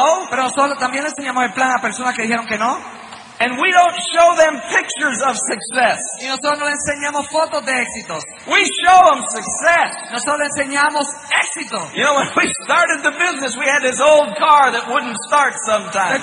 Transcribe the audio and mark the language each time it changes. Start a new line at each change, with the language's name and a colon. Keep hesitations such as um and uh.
Spanish: Pero nosotros también enseñamos el plan a personas que dijeron que no.
English: And we don't show them pictures of success.
Spanish: Y nosotros no les enseñamos fotos de éxitos.
English: We show them success.
Spanish: Nosotros les enseñamos éxito.
English: You know, when we started the business, we had this old car that wouldn't start sometimes. Right?